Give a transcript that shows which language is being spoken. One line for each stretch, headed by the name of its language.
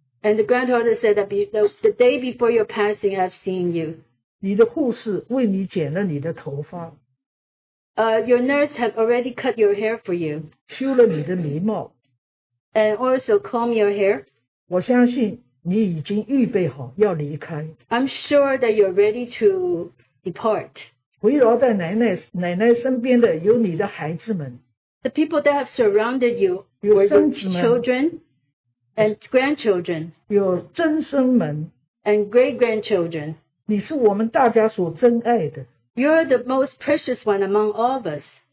English: And the granddaughter said that the day before your passing, I've seen you.
Chinese: 你的护士为你剪了你的头发。
English: Your nurse had already cut your hair for you.
Chinese: 修了你的眉毛。
English: And also comb your hair.
Chinese: 我相信你已经预备好要离开。
English: I'm sure that you're ready to depart.
Chinese: 围绕在奶奶身边的有你的孩子们。
English: The people that have surrounded you were your children. And grandchildren.
Chinese: 有曾孙们,
English: and great grandchildren.
Chinese: 你是我们大家所珍爱的,
English: you're the most precious one among all of us.